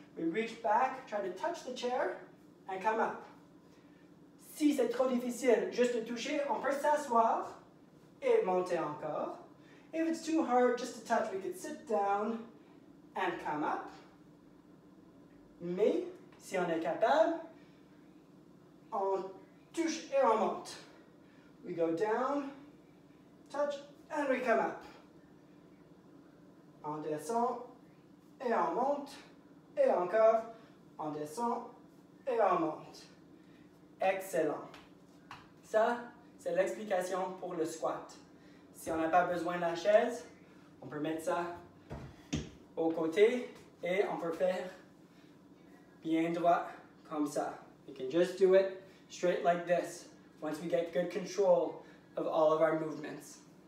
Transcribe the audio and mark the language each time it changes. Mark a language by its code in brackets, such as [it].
[en] We reach back, try to touch the chair, and come up. [fr] Si c'est trop difficile juste de toucher, on peut s'asseoir et monter encore. [en] If it's too hard just to touch, we could sit down and come up. [fr] Mais si on est capable, on touche et on monte. [en] We go down, touch, and we come up. [fr] On descend et on monte. Et encore, on descend et on monte. Excellent. Ça, c'est l'explication pour le squat. Si on n'a pas besoin de la chaise, on peut mettre ça au côté et on peut faire bien droit comme ça. [en] You can just do it straight like this once we get good control of all of our movements.